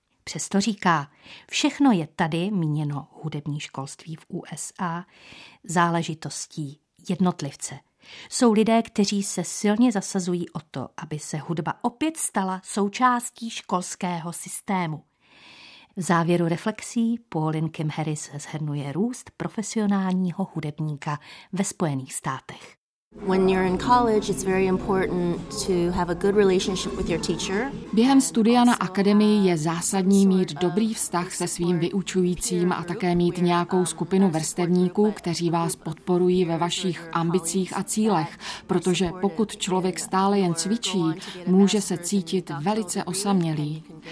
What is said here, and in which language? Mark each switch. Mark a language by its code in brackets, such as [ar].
[cs] Přesto říká, všechno je tady, míněno hudební školství v USA, záležitostí jednotlivce. Jsou lidé, kteří se silně zasazují o to, aby se hudba opět stala součástí školského systému. V závěru reflexí Pauline Kim Harris shrnuje růst profesionálního hudebníka ve Spojených státech. [en] When you're in college, it's very important to have a good relationship with your teacher. [cs] Během studia na akademii je zásadní mít dobrý vztah se svým vyučujícím a také mít nějakou skupinu vrstevníků, kteří vás podporují ve vašich ambicích a cílech, protože pokud člověk stále jen cvičí, může se cítit velice osamělý.